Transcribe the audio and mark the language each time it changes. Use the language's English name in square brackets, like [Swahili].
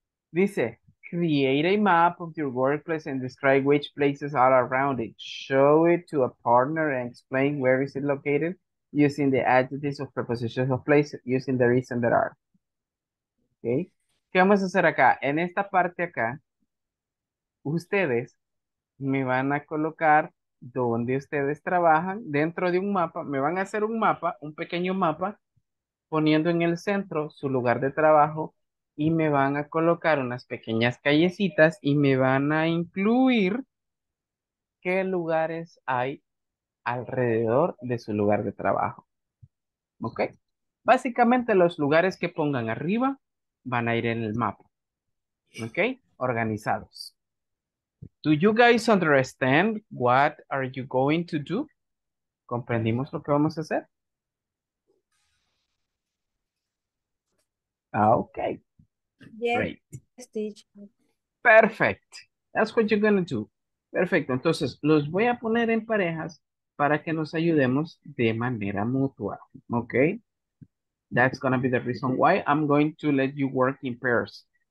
[English] Dice, create a map of your workplace and describe which places are around it. Show it to a partner and explain where is it located using the adjectives of prepositions of place using the reason that are. [Spanish] Ok. ¿Qué vamos a hacer acá? En esta parte acá, ustedes me van a colocar donde ustedes trabajan dentro de un mapa. Me van a hacer un mapa, un pequeño mapa, poniendo en el centro su lugar de trabajo y me van a colocar unas pequeñas callecitas y me van a incluir qué lugares hay alrededor de su lugar de trabajo. ¿Ok? Básicamente los lugares que pongan arriba van a ir en el mapa. ¿Ok? Organizados. [English] Do you guys understand what are you going to do? [Spanish] ¿Comprendimos lo que vamos a hacer? [English] Okay. Yes. Great. Perfect. That's what you're going to do. Perfecto. [Spanish] Entonces, los voy a poner en parejas para que nos ayudemos de manera mutua. [English] Okay. That's going to be the reason why I'm going to let you work in pairs.